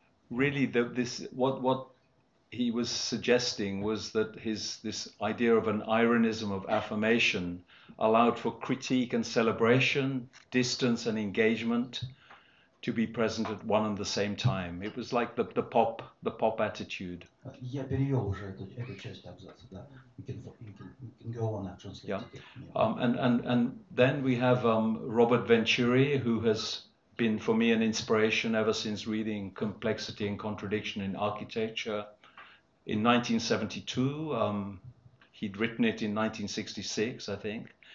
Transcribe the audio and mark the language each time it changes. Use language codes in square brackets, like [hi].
[en] Really, what he was suggesting was that this idea of an ironism of affirmation allowed for critique and celebration, distance and engagement to be present at one and the same time. It was like the pop attitude. [ru] Я перевел уже эту часть абзаца, да. [en] You can go on and translate. Yeah. And then we have Robert Venturi, who has been for me an inspiration ever since reading Complexity and Contradiction in Architecture. In 1972, he'd written it in 1966, I think.